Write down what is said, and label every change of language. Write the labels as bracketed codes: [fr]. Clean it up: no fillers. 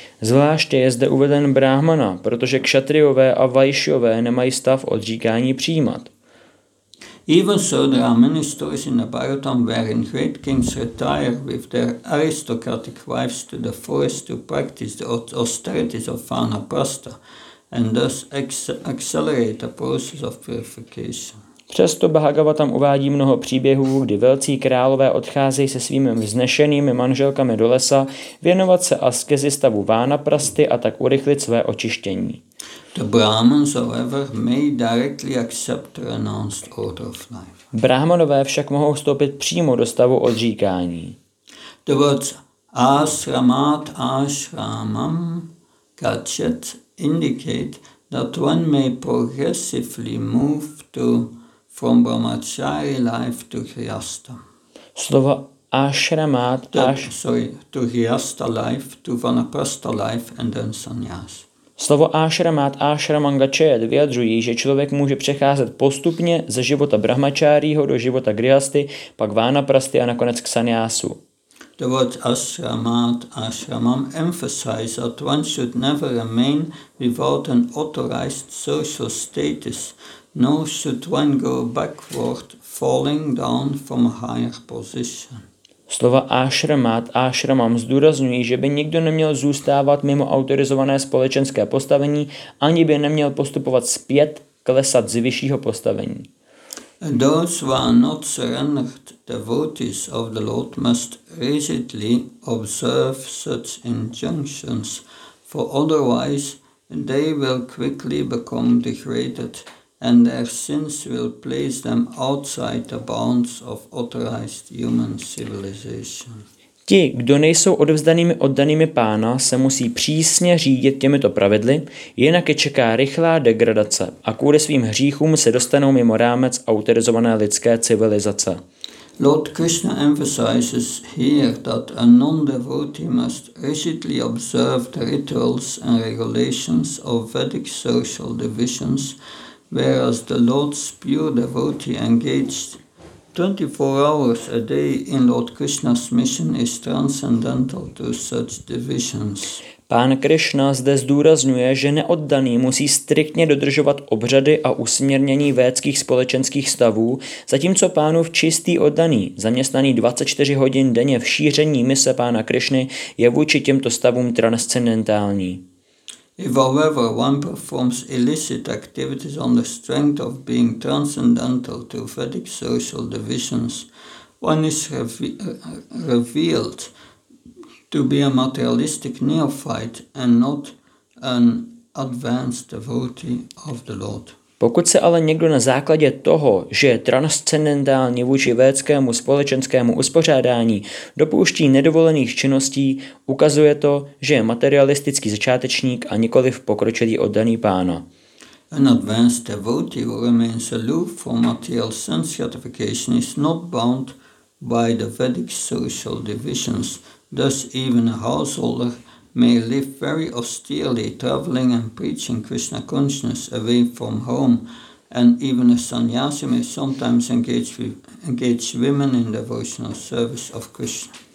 [cs] Zvláště je zde uveden brahmana, protože kšatriové a vajšové nemají stav odříkání přijímat. [en] Even so, there are many stories in the Bharatam wherein great kings retire with their aristocratic wives to the forest to practice the austerities of vanaprastha and thus accelerate the process of purification. [cs] Přesto Bhagavatam uvádí mnoho příběhů, kdy velcí králové odcházejí se svými vznešenými manželkami do lesa věnovat se askezi stavu vanaprasty a tak urychlit své očištění. [en] The Brahmans, however, may directly accept the renounced order of life. [cs] Brahmanové však mohou vstoupit přímo do stavu odříkání. [en] The words asramat ashramam gachet indicate that one may progressively move to from brahmachari life to grihastha. [cs] Slova ashramat [en] to hyasta life, to vanaprastha life and then sannyas. [cs] Slovo ashramat, ashramangachet vyjadřují, že člověk může přecházet postupně ze života brahmačárího do života grihasty, pak vanaprasty a nakonec k sannyasu. [en] The word ashramat, ashramam emphasize that one should never remain without an authorized social status, nor should one go backward falling down from a higher position. [cs] Slova ashramat, ashramam zdůrazňují, že by nikdo neměl zůstávat mimo autorizované společenské postavení, ani by neměl postupovat zpět, klesat z vyššího postavení. [en] Those who are not surrendered devotees of the Lord must rigidly observe such injunctions, for otherwise they will quickly become degraded and their sins will place them outside the bounds of authorized human civilization. [cs] Ti, kdo nejsou odevzdanými oddanými pána, se musí přísně řídit těmito pravidly, jinak je čeká rychlá degradace a kvůli svým hříchům se dostanou mimo rámec autorizované lidské civilizace. [en] Lord Krishna emphasizes here that a non-devotee must rigidly observe the rituals and regulations of Vedic social divisions, whereas the Lord's pure devotee engaged 24 hours a day in Lord Krishna's mission is transcendental to such divisions. [cs] Pán Krishna zde zdůrazňuje, že neoddaný musí striktně dodržovat obřady a usměrnění védských společenských stavů, zatímco pánův čistý oddaný, zaměstnaný 24 hodin denně v šíření mise pána Krishny, je vůči těmto stavům transcendentální. [en] If, however, one performs illicit activities on the strength of being transcendental to Vedic social divisions, one is revealed to be a materialistic neophyte and not an advanced devotee of the Lord. [cs] Pokud se ale někdo na základě toho, že je transcendentální vůči védskému společenskému uspořádání, dopouští nedovolených činností, ukazuje to, že je materialistický začátečník a nikoliv pokročilý oddaný pána. [en] An advanced devotee who remains aloof for material sense gratification is not bound by the Vedic social divisions. Thus even a householder may live very austerely, traveling and preaching Krishna consciousness away from home, and even a sannyasi may sometimes engage women in devotional service of Krishna.